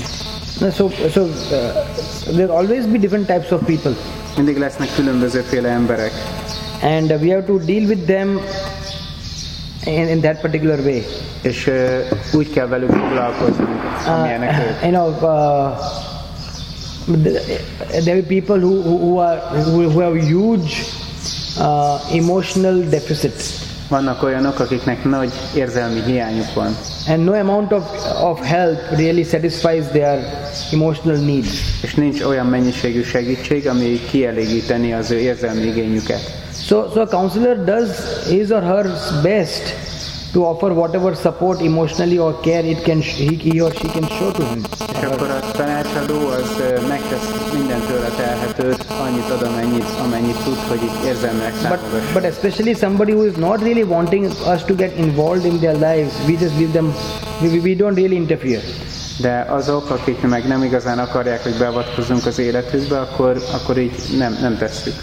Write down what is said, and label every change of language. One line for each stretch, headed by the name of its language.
English: So there will always be different types of people.
Hungarian: Mindig lesznek különböző féle emberek.
English: And we have to deal with them in that particular way.
Hungarian: És úgy kell velük foglalkozni, amilyenek ők.
English: You know, there are people who have huge emotional deficits.
Hungarian: Vannak olyanok, akiknek nagy érzelmi hiányuk van.
English: And no amount of help really satisfies their emotional needs.
Hungarian: És nincs olyan mennyiségű segítség, ami kielégíteni az ő érzelmi igényüket.
English: So a counselor does his or her best to offer whatever support emotionally or care it can he or she can show to him.
Hungarian: És akkor a tanácsadó az megtesz minden tőle telhetőt, annyit ad, amennyit tud, hogy itt érzelmek támogasson.
English: But especially somebody who is not really wanting us to get involved in their lives, we just leave them, we don't really interfere.
Hungarian: De azok, akik meg nem igazán akarják, hogy beavatkozzunk az életükbe, akkor így nem tesszük.